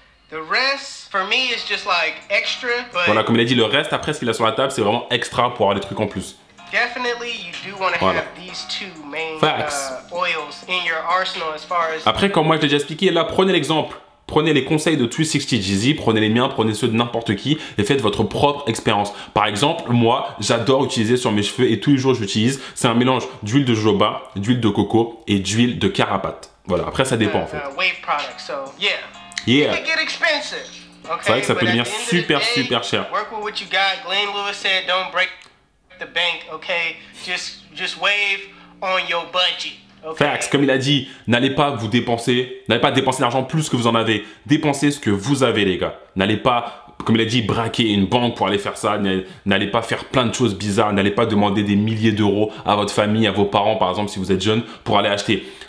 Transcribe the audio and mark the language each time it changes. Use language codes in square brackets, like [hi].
[en] The rest, for me, is just like extra. But [fr] voilà, comme il a dit, le reste après ce qu'il a sur la table, c'est vraiment extra pour avoir des trucs en plus. [en] Definitely, you do want to have these two main oils in your arsenal as far as. [fr] Après, comme moi je l'ai déjà expliqué, là prenez l'exemple, prenez les conseils de 360 Jeezy, prenez les miens, prenez ceux de n'importe qui et faites votre propre expérience. Par exemple, moi j'adore utiliser sur mes cheveux et tous les jours j'utilise, c'est un mélange d'huile de jojoba, d'huile de coco et d'huile de carapate. Voilà, après ça dépend en fait. [en] Wave product, so yeah. It can get expensive. [fr] Okay, c'est vrai que ça peut devenir super super cher. [en] Work with what you got. Glenn Lewis said, don't break the bank, okay? Just wave on your budget. Okay. [fr] Facts, comme il a dit, n'allez pas vous dépenser, n'allez pas dépenser l'argent plus que vous en avez. Dépensez ce que vous avez, les gars. N'allez pas, comme il a dit, braquer une banque pour aller faire ça. N'allez pas faire plein de choses bizarres. N'allez pas demander des milliers d'euros à votre famille, à vos parents, par exemple, si vous êtes jeune, pour aller acheter.